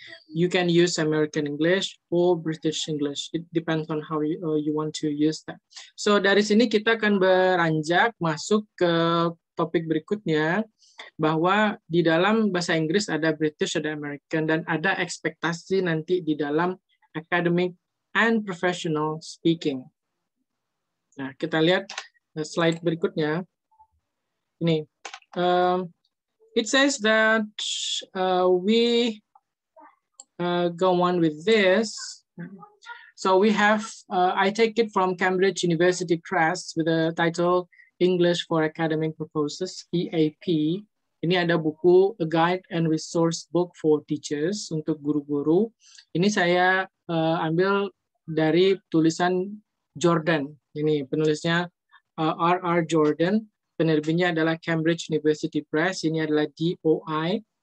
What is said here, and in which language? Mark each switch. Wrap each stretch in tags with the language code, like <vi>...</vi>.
<en>You can use American English or British English. It depends on how you want to use that.</en> <id>So dari sini kita akan beranjak masuk ke topik berikutnya, bahwa di dalam bahasa Inggris ada British, ada American, dan ada ekspektasi nanti di dalam</id> <en>academic and professional speaking.</en> <id>Nah, kita lihat slide berikutnya. Ini,</id> <en>it says that we go on with this. So we have, I take it from Cambridge University Press with the title English for Academic Purposes, EAP.</en> <id>Ini ada buku, A Guide and Resource Book for Teachers, untuk guru-guru. Ini saya ambil dari tulisan Jordan. Ini penulisnya R.R. Jordan. Penerbitnya adalah Cambridge University Press. Ini adalah DOI.</id>